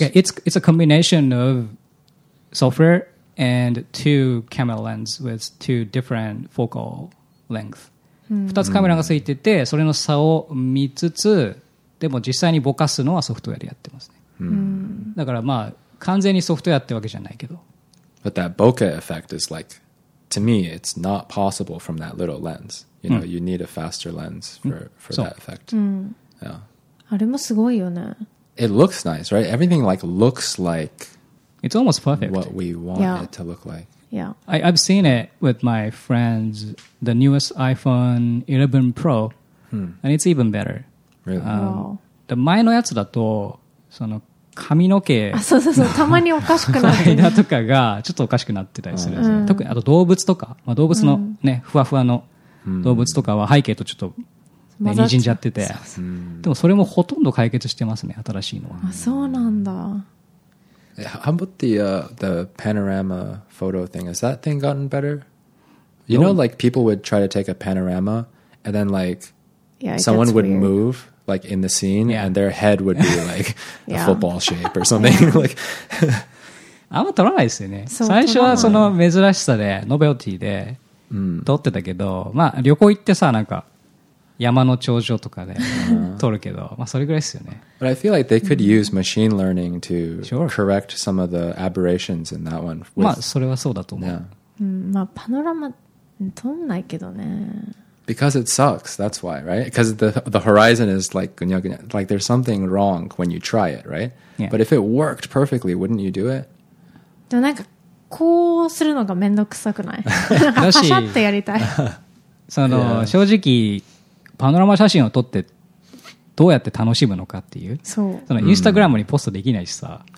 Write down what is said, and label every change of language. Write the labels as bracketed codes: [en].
[en] It's a combination of software and two camera lens with two different focal length. Mm. [ja] 2つカメラがついてて、それの差を見つつ、でも実際にぼかすのはソフトウェアでやってますね。 Mm. だからまあ、完全にソフトウェアってわけじゃないけど。 [en] But that bokeh effect is like, to me, it's not possible from that little lens. You know,、mm. you need a faster lens for、mm. that effect.、 Mm. Yeah. [ja] あれもすごいよね。 [en] It looks nice, right? Everything like looks like it's almost perfect. What we want、yeah. it to look like. Yeah. I've seen it with my friends, the newest iPhone 11 Pro,、 hmm. and it's even better. Really? Wow. [ja] The 前のやつだと、その髪の毛、あ、そうそうそう、たまにおかしくなる。間とかがちょっとおかしくなってたりするんですね。特にあと動物とか、まあ、動物のね、ふわふわの動物とかは背景とちょっと。ね、にじんじゃってて、そうそう、でもそれもほとんど解決してますね、新しいのは。あ、そうなんだ。 [en] How about the panorama photo thing? Has that thing gotten better? You know, like people would try to take a panorama and then like someone would move like in the scene and their head would be like a football shape or something. Like, [ja] あんま撮らないですよね。最初はその珍しさでノベルティで撮ってたけど、まあ旅行行ってさ、なんか山の頂上とかで撮るけど、まあそれぐらいですよね。 [en] But I feel like they could use machine learning to correct some of the aberrations in that one. [ja] まあそれはそうだと思う。まあパノラマ撮んないけどね。 [en] Because it sucks, that's why, right? Because the horizon is like [ja] ぐにゃぐにゃ、 [en] like there's something wrong when you try it, right? But if it worked perfectly, wouldn't you do it? [ja] でもなんかこうするのがめんどくさくない？なんかパシャってやりたい。その正直。パノラマ写真を撮ってどうやって楽しむのかっていう、そう、そのインスタグラムにポストできないしさ、